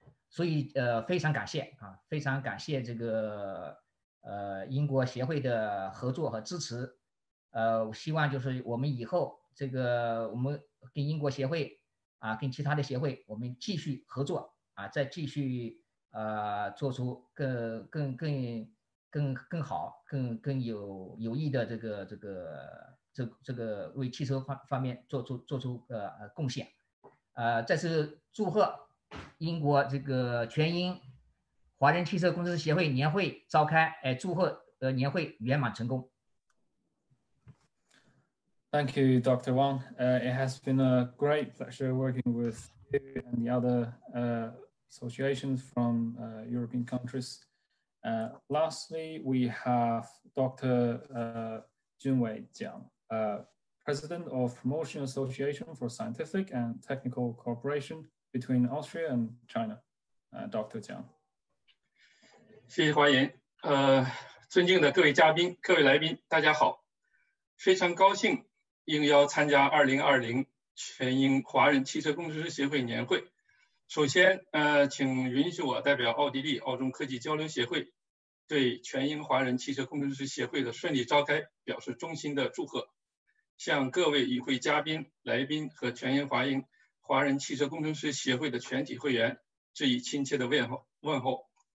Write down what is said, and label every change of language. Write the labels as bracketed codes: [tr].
[zh] 所以非常感谢非常感谢这个英国协会的合作和支持，希望就是我们以后这个我们跟英国协会跟其他的协会我们继续合作再继续做出更好更有益的这个为汽车方面做出贡献，再次祝贺英国这个全英华人汽车工程师协会年会召开，祝贺年会圆满成功。 [en] Thank you, Dr. Wang. It has been a great pleasure working with you and the other associations from European countries. Lastly, we have Dr. Junwei Jiang, President of Promotion Association for Scientific and Technical Cooperation between Austria and China. Dr. Jiang. [zh] 谢谢欢迎。尊敬的各位嘉宾、各位来宾，大家好，非常高兴应邀参加2020全英华人汽车工程师协会年会。首先，请允许我代表奥地利澳中科技交流协会对全英华人汽车工程师协会的顺利召开表示衷心的祝贺，向各位与会嘉宾、来宾和全英华英华人汽车工程师协会的全体会员致以亲切的问候。